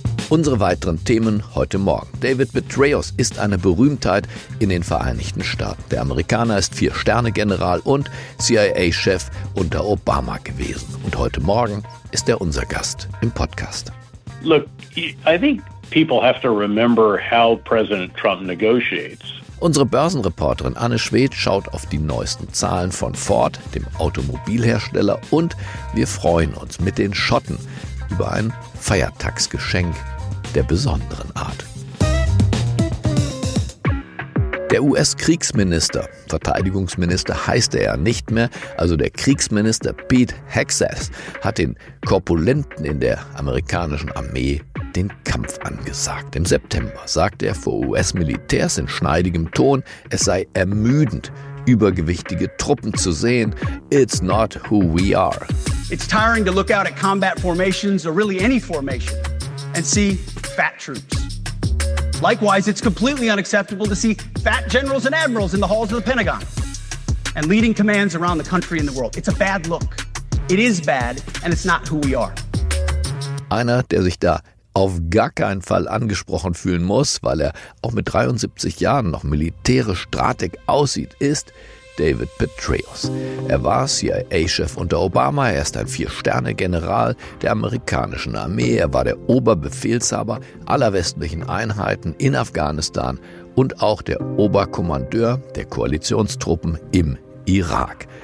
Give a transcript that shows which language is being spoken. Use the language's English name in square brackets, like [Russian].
[German] Unsere weiteren Themen heute Morgen. David Petraeus ist eine Berühmtheit in den Vereinigten Staaten. Der Amerikaner ist 4-Sterne-General und CIA-Chef unter Obama gewesen. Und heute Morgen ist er unser Gast im Podcast. [English] Look, I think people have to remember how President Trump negotiates. [German] Unsere Börsenreporterin Anne Schwedt schaut auf die neuesten Zahlen von Ford, dem Automobilhersteller, und wir freuen uns mit den Schotten über ein Feiertagsgeschenk der besonderen Art. Der US-Kriegsminister, Verteidigungsminister heißt er ja nicht mehr, also der Kriegsminister Pete Hegseth, hat den Korpulenten in der amerikanischen Armee den Kampf angesagt. Im September sagte er vor US-Militärs in schneidigem Ton, es sei ermüdend, übergewichtige Truppen zu sehen. [English] It's not who we are. It's tiring to look out at combat formations or really any formation and see fat troops. Likewise, it's completely unacceptable to see fat generals and admirals in the halls of the Pentagon and leading commands around the country and the world. It's a bad look. It is bad, and it's not who we are. [German] Einer, der sich da auf gar keinen Fall angesprochen fühlen muss, weil er auch mit 73 Jahren noch militärisch Stratig aussieht, ist David Petraeus. Er war CIA-Chef unter Obama, er ist ein 4-Sterne-General der amerikanischen Armee, er war der Oberbefehlshaber aller westlichen Einheiten in Afghanistan und auch der Oberkommandeur der Koalitionstruppen im Irak.